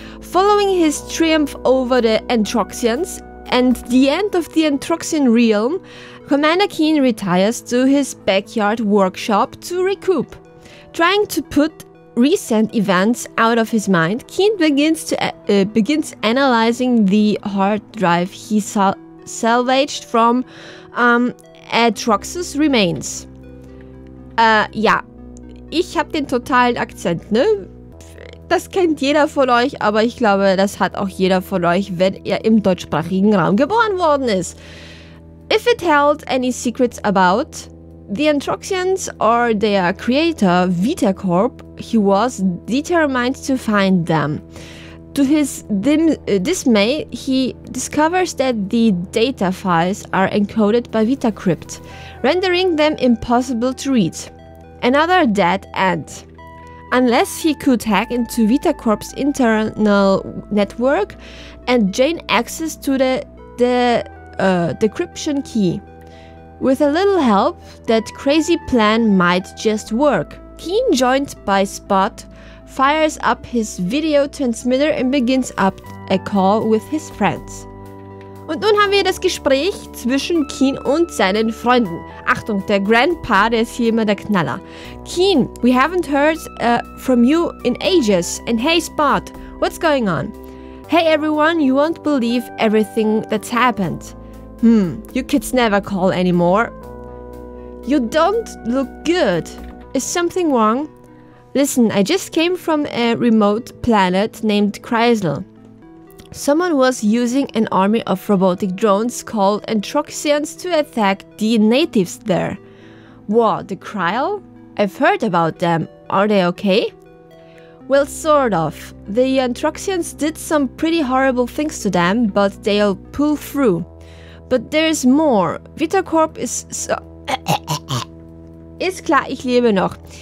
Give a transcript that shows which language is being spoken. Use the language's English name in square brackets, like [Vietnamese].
[English] Following his triumph over the Androxians and the end of the Androxian realm, Commander Keen retires to his backyard workshop to recoup, trying to put recent events out of his mind, Keen begins to begins analyzing the hard drive he salvaged from Atrox's remains. [German] Ja, ich habe den totalen Akzent, ne? Das kennt jeder von euch, aber ich glaube, das hat auch jeder von euch, wenn er im deutschsprachigen Raum geboren worden ist. [English] If it held any secrets about the Androxians or their creator, Vita Corp, he was determined to find them. To his dismay, he discovers that the data files are encoded by VitaCrypt, rendering them impossible to read. Another dead end. Unless he could hack into Vita Corp's internal network and gain access to the decryption key. With a little help, that crazy plan might just work. Keen, joined by Spot, fires up his video transmitter and begins up a call with his friends. [German] Und nun haben wir das Gespräch zwischen Keen und seinen Freunden. Achtung, der Grandpa, der ist hier immer der Knaller. [English] Keen, we haven't heard from you in ages. And hey, Spot, what's going on? Hey everyone, you won't believe everything that's happened. You kids never call anymore. You don't look good. Is something wrong? Listen, I just came from a remote planet named Chrysal. Someone was using an army of robotic drones called Androxians to attack the natives there. What, the Kryl? I've heard about them. Are they okay? Well, sort of. The Androxians did some pretty horrible things to them, but they'll pull through. But there's more. [German] VitaCorp [English] is [German] so ist klar, ich lebe noch.